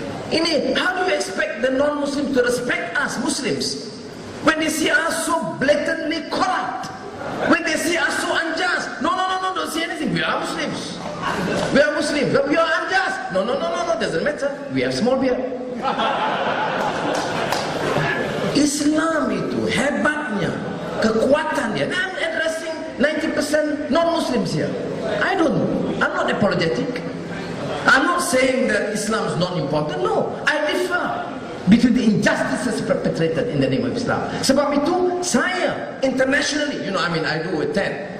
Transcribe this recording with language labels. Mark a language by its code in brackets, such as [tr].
[en] Ini, how do you expect the non-Muslim to respect us Muslims when they see us so blatantly corrupt? When they see us so unjust? No, no, no, no, don't say anything. We are Muslims. We are Muslims. We are unjust. No, no, no, no, no, doesn't matter. We have small beer. [ms] Islam itu hebatnya, kekuatannya. [en] And I'm addressing 90% non-Muslims here. I'm not apologetic. I'm not saying that Islam is not important. No, I differ between the injustices perpetrated in the name of Islam. [ms] Sebab itu saya [en] internationally, you know, I mean, I do attend.